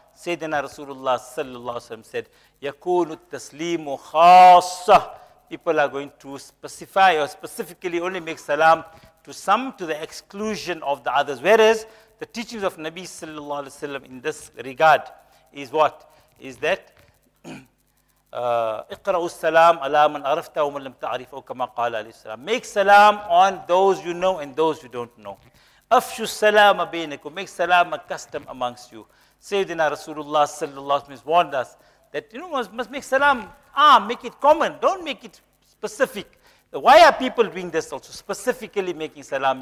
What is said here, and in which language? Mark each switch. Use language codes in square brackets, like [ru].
[en] Sayyidina Rasulullah sallallahu alaihi wasallam said, [ar] يَكُونُ التَّسْلِيمُ خَاصَّةً. [en] People are going to specify or specifically only make salam to some to the exclusion of the others. Whereas the teachings of Nabi sallallahu alaihi wasallam in this regard is what? Is that [ar] اِقْرَأُ السَّلَامُ عَلَىٰ مَنْ عَرَفْتَهُ مَنْ لَمْ تَعْرِفَهُ كَمَا قَالَ عَلَيْهِ السَّلَامُ. [en] Make salam on those you know and those you don't know. [ar] أَفْشُ السَّلَامَ بَيْنَكُمْ. [en] Make salam a custom amongst you. Sayyidina Rasulullah sallallahu alaihi wasallam has warned us that, you know, must make salam, make it common. Don't make it specific. Why are people doing this also, specifically making salam?